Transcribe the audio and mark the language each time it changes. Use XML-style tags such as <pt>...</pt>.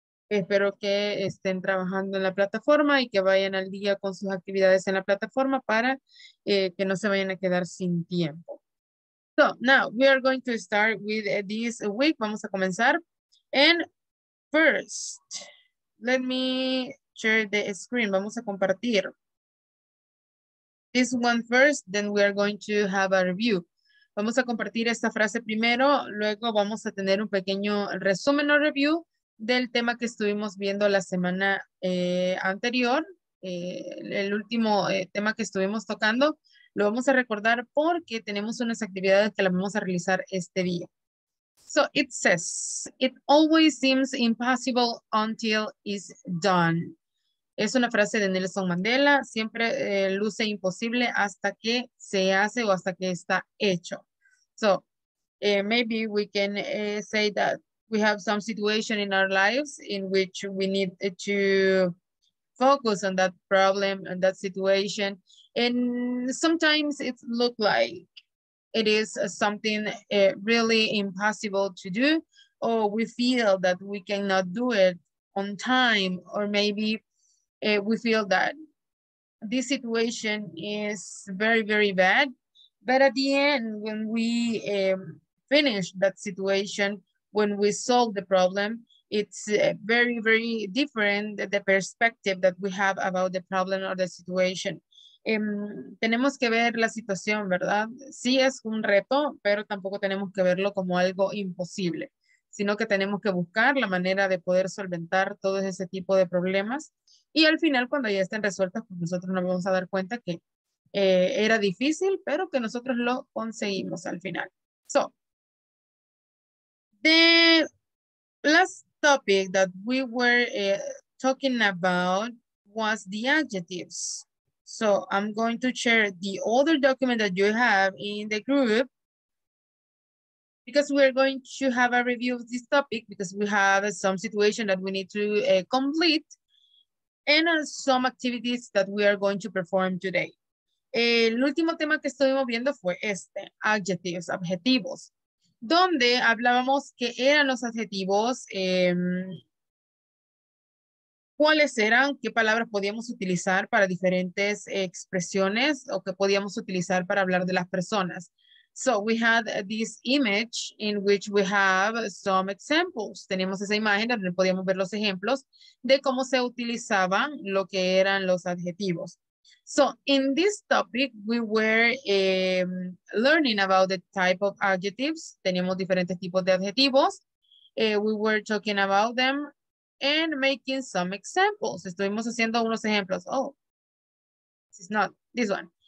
<es>Espero que estén trabajando en la plataforma y que vayan al día con sus actividades en la plataforma para que no se vayan a quedar sin tiempo.</es> <en>So, now we are going to start with this week.</en> <es>Vamos a comenzar.</es> <en>And first, let me share the screen.</en> <es>Vamos a compartir</es> <en>this one first, then we are going to have a review.</en> <es>Vamos a compartir esta frase primero, luego vamos a tener un pequeño resumen o review del tema que estuvimos viendo la semana anterior. El último tema que estuvimos tocando lo vamos a recordar porque tenemos unas actividades que las vamos a realizar este día.</es> <en>So it says, it always seems impossible until it's done.</en> <es>Es una frase de Nelson Mandela, siempre luce imposible hasta que se hace o hasta que está hecho.</es> <en>So, maybe we can say that we have some situation in our lives in which we need to focus on that problem and that situation. And sometimes it looks like it is something really impossible to do, or we feel that we cannot do it on time, or maybe we feel that this situation is very, very bad. But at the end, when we finish that situation, when we solve the problem, it's very, very different the perspective that we have about the problem or the situation.</en> <es>Tenemos que ver la situación, ¿verdad? Sí es un reto, pero tampoco tenemos que verlo como algo imposible, sino que tenemos que buscar la manera de poder solventar todo ese tipo de problemas. Y al final, cuando ya estén resueltas, pues nosotros nos vamos a dar cuenta que era difícil, pero que nosotros lo conseguimos al final.</es> <en>So, the last topic that we were talking about was the adjectives. So, I'm going to share the other document that you have in the group, because we're going to have a review of this topic, because we have some situation that we need to complete, and some activities that we are going to perform today.</en> <es>El último tema que estuvimos viendo fue este, adjectives, adjetivos, donde hablábamos que eran los adjetivos, cuáles eran, qué palabras podíamos utilizar para diferentes expresiones o que podíamos utilizar para hablar de las personas.</es> <en>So we had this image in which we have some examples.</en> <es>Tenemos esa imagen donde podíamos ver los ejemplos de cómo se utilizaban lo que eran los adjetivos.</es> <en>So, in this topic, we were learning about the type of adjectives.</en> <es>Teníamos diferentes tipos de adjetivos.</es> <en>We were talking about them and making some examples.</en> <es>Estuvimos haciendo unos ejemplos.</es> <en>Oh, it's not this one.</en>